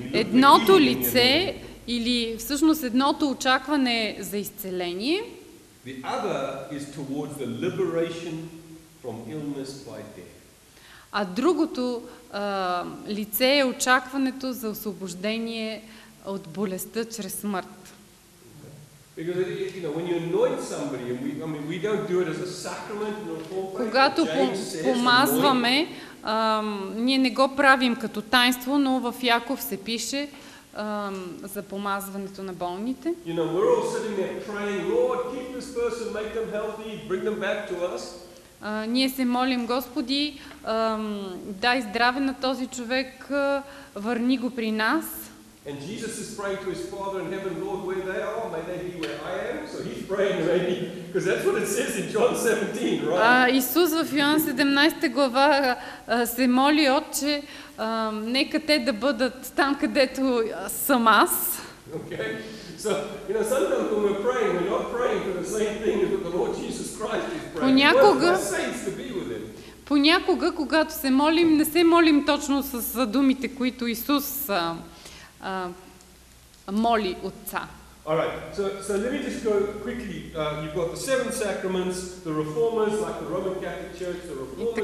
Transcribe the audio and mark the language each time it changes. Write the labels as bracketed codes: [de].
[bg] Едното лице или всъщност едното очакване за изцеление. [en] The other is towards the liberation from illness by death. [bg] А другото лице е очакването за освобождение от болестта чрез смърт. [en] Because you know, when you anoint somebody, and we don't do it as a sacrament, no. [bg] Когато помазваме, ние не го правим като тайнство, но в Яков се пише за помазването на болните. [en] You know, we're all sitting there praying, Lord, keep this person, make them healthy, bring them back to us. [bg] Ние се молим, Господи, дай здраве на този човек, върни го при нас. [en] And Jesus is praying to his Father in heaven, Lord, where they are, may they be where I am. So he's praying maybe, because that's what it says in John 17, right? [bg] Исус в Йоан 17 глава се моли, Отче, нека те да бъдат там, където съм аз. [en] Okay. So, you know, sometimes when we're praying, we're not praying for the same thing as the Lord Jesus Christ is praying. [bg] Понякога, [en] we want the saints to be with him. [bg] Понякога, когато се молим, не се молим точно с думите, които Исус моли Отца. [en] All right. So let me just go quickly. You've got the seven sacraments, the reformers, like the Roman Catholic Church, the reformers